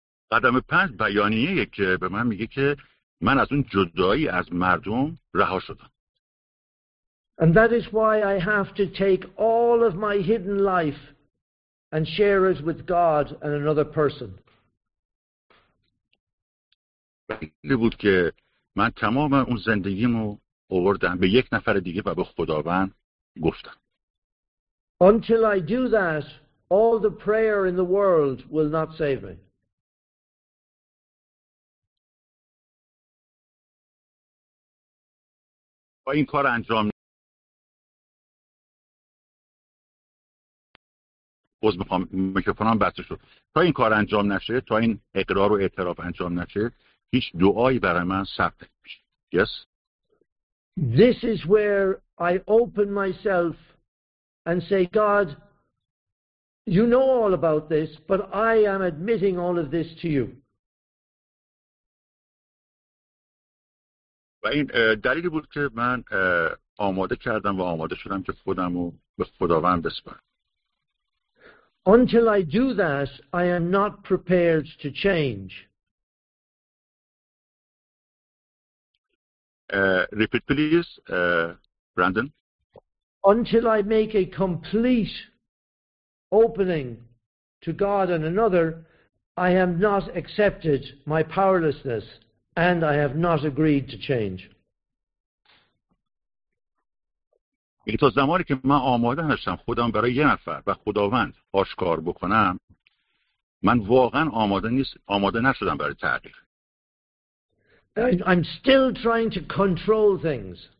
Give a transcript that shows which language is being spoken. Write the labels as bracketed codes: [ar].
[fa] قدم پنج بیانیه که به من میگه که من از اون جدایی از مردم رها شدم. [en] And that is why I have to take all of my hidden life and share it with God and another person. [fa] بله بود که من تمام اون زندگیمو آوردم به یک نفر دیگه و به خداوند گفتم. [en] Until I do that, all the prayer in the world will not save me. [fa] با این کار انجام باز میخوام میکروفونم بسته شد. تا این کار انجام نشه، تا این اقرار و اعتراف انجام نشه، هیچ دعایی برای من ثبت نمیشه. [en] Yes. This is where I open myself and say, God, you know all about this, but I am admitting all of this to you. [fa] و این دلیلی بود که من آماده کردم و آماده شدم که خودم رو به خداوند بسپارم. [en] Until I do that, I am not prepared to change. Repeat, please, Brandon. Until I make a complete opening to God and another, I have not accepted my powerlessness and I have not agreed to change. [fa] تا زمانی که من آماده نشم خودم برای یه نفر و خداوند آشکار بکنم، من واقعا آماده نشدم برای تغییر. [en] I'm still trying to control things.